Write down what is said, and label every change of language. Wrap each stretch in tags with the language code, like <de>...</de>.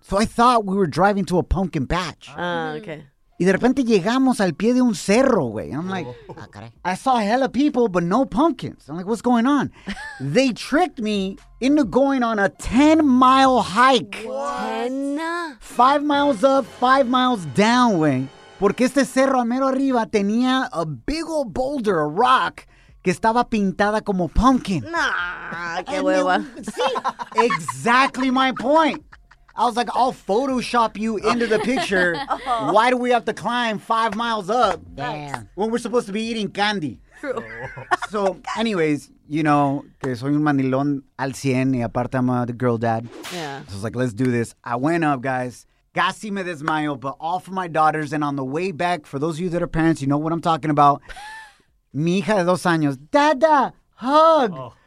<en>So I thought we were driving to a pumpkin patch. Okay.</en> <es>Y de repente llegamos al pie de un cerro, güey.</es> <en>I'm like, I saw a hella people, but no pumpkins. I'm like, what's going on? They tricked me into going on a 10-mile hike. What? 10? 5 miles up, 5 miles down, güey.</en> <es>Porque este cerro a mero arriba tenía</es> <en>a big old boulder, a rock,</en> <es>que estaba pintada como pumpkin. Nah, qué hueva.</es> <en>Sí, exactly my point. I was like, I'll Photoshop you into the picture. Oh. Why do we have to climb 5 miles up? Damn. When we're supposed to be eating candy. True. So, anyways, you know,</en> <es>que soy un mandilón al 100 y aparte</es> <en>I'm a girl dad. Yeah. So I was like, let's do this. I went up, guys.</en> <es>Casi me desmayo,</es> <en>but all for my daughters. And on the way back, for those of you that are parents, you know what I'm talking about.</en> <es>Mi hija de dos años, dada, hug, oh.</es>